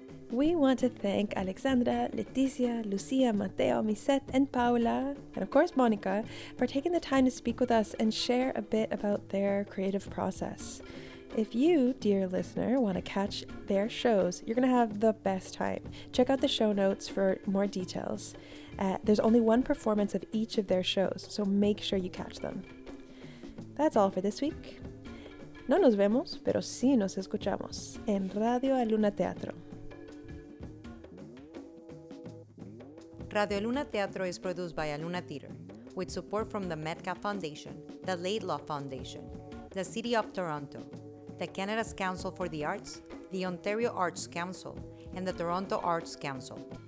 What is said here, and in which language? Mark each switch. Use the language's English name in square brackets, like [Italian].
[English] We want to thank Alexandra, Leticia, Lucia, Mateo, Misette, and Paula, and of course Monica, for taking the time to speak with us and share a bit about their creative process. If you, dear listener, want to catch their shows, you're going to have the best time. Check out the show notes for more details. There's only one performance of each of their shows, so make sure you catch them. That's all for this week. [Spanish] No nos vemos, pero sí nos escuchamos en Radio Aluna Teatro. [English] Radio Aluna Teatro is produced by Aluna Theater, with support from the Metcalf Foundation, the Laidlaw Foundation, the City of Toronto, the Canada's Council for the Arts, the Ontario Arts Council, and the Toronto Arts Council.